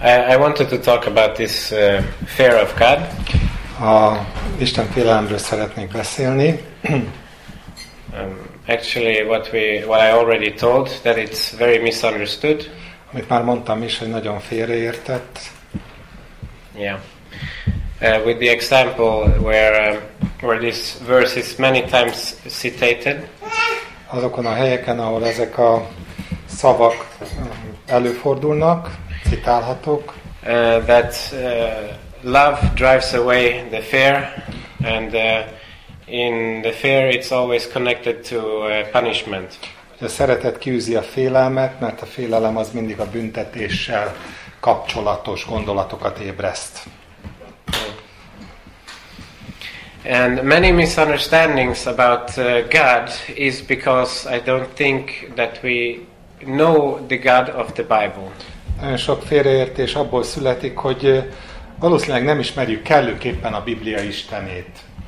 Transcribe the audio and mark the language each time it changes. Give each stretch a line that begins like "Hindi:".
English: I wanted to talk about this fear of God.
Hungarian: A Isten félelemről szeretnék beszélni.
English: Actually, what I already told, that it's very misunderstood.
Hungarian: Amit már mondtam is, hogy nagyon félreértett.
English: Yeah. With the example where this verse is many times cited.
Hungarian: Azokon a helyeken, ahol ezek a szavak előfordulnak, citálhatók.
English: That love drives away the fear, and in the fear it's always connected to punishment.
Hungarian: A szeretet kiűzi a félelmet, mert a félelem az mindig a büntetéssel kapcsolatos gondolatokat ébreszt.
English: And many misunderstandings about God is because I don't think that we know the God of the Bible.
Hungarian: Nagyon sok félreértés abból születik, hogy valószínűleg nem ismerjük kellőképpen a Biblia Istenét.